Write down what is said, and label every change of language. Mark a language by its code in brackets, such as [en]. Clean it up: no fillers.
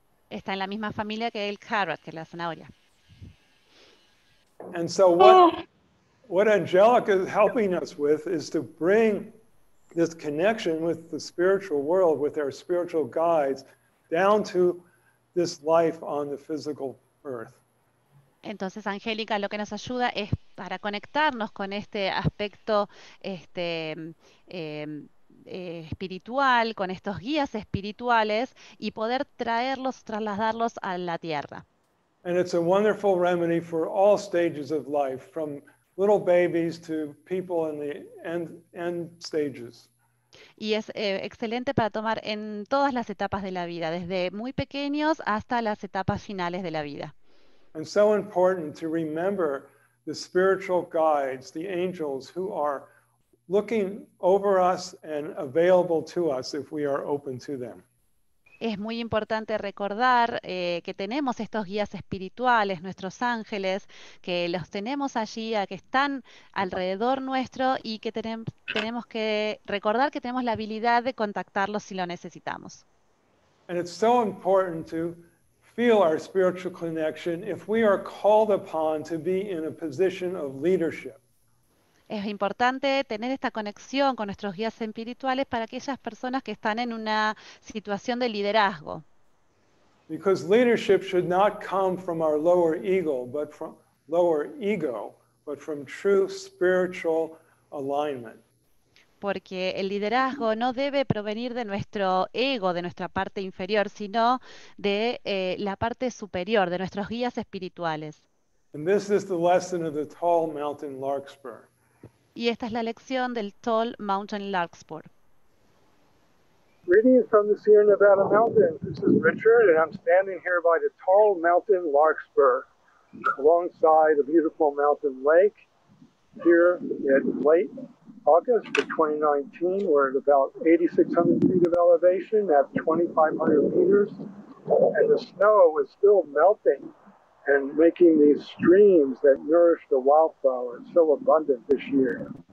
[es] Está en la misma familia que el carrot, que es la zanahoria. [en] And so what Angelica is helping us with is to bring this connection with the spiritual world, with our spiritual guides, down to this life on the physical earth. [es] Entonces, Angélica, lo que nos ayuda es para conectarnos con este aspecto espiritual, con estos guías espirituales, y poder traerlos, trasladarlos a la tierra. [en] And it's a wonderful remedy for all stages of life, from little babies to people in the end stages. [es] Y es excelente para tomar en todas las etapas de la vida, desde muy pequeños hasta las etapas finales de la vida. [en] And so important to remember the spiritual guides, the angels who are looking over us and available to us if we are open to them. [es] Es muy importante recordar que tenemos estos guías espirituales, nuestros ángeles, que los tenemos allí, que están alrededor nuestro, y que tenemos que recordar que tenemos la habilidad de contactarlos si lo necesitamos. [en] And it's so important to feel our spiritual connection if we are called upon to be in a position of leadership. [es] Es importante tener esta conexión con nuestros guías espirituales para aquellas personas que están en una situación de liderazgo. [en] Because leadership should not come from our lower ego, but from true spiritual alignment. [es] Porque el liderazgo no debe provenir de nuestro ego, de nuestra parte inferior, sino de la parte superior, de nuestros guías espirituales. [en] And this is the lesson of the tall mountain larkspur. [es] Y esta es la lección del Tall Mountain Larkspur. [en] Greetings from the Sierra Nevada Mountains. This is Richard, and I'm standing here by the Tall Mountain Larkspur, alongside a beautiful mountain lake here at Lake August of 2019, we're at about 8,600 feet of elevation at 2,500 meters, and the snow is still melting and making these streams that nourish the wildflowers so abundant this year.